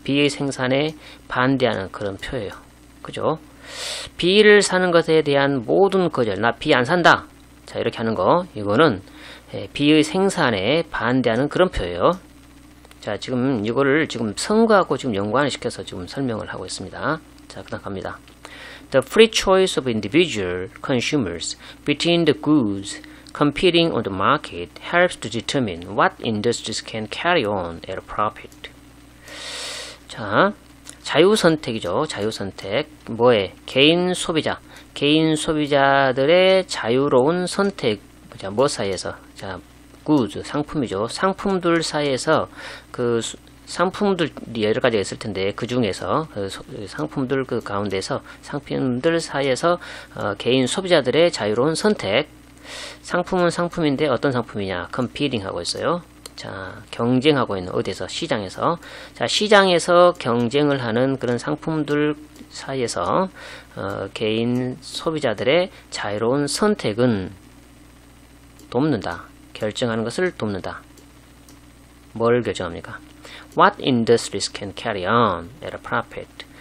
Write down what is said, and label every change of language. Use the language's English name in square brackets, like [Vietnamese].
[Korean] B의 생산에 반대하는 그런 표예요. 그죠? B를 사는 것에 대한 모든 거절, 나 B 안 산다! 자, 이렇게 하는 거, 이거는 B의 생산에 반대하는 그런 표예요. 자, 지금 이거를 지금 선거하고 지금 연관을 시켜서 지금 설명을 하고 있습니다. 자, 그 다음 갑니다. [English] The free choice of individual consumers between the goods competing on the market helps to determine what industries can carry on at a profit. [Korean] 자, 자유선택이죠. 자유선택. 뭐에? 개인 소비자. 개인 소비자들의 자유로운 선택. 자, 뭐 사이에서? 자, goods, 상품이죠. 상품들 사이에서 그 상품들이 여러 가지가 있을 텐데 그 중에서 그 상품들 그 가운데서 상품들 사이에서 개인 소비자들의 자유로운 선택 상품은 상품인데 어떤 상품이냐? competing 하고 있어요. 자, 경쟁하고 있는 어디에서? 시장에서. 자, 시장에서 경쟁을 하는 그런 상품들 사이에서 개인 소비자들의 자유로운 선택은 돕는다. 결정하는 것을 돕는다. 뭘 결정합니까? [English] What industries can carry on at a profit?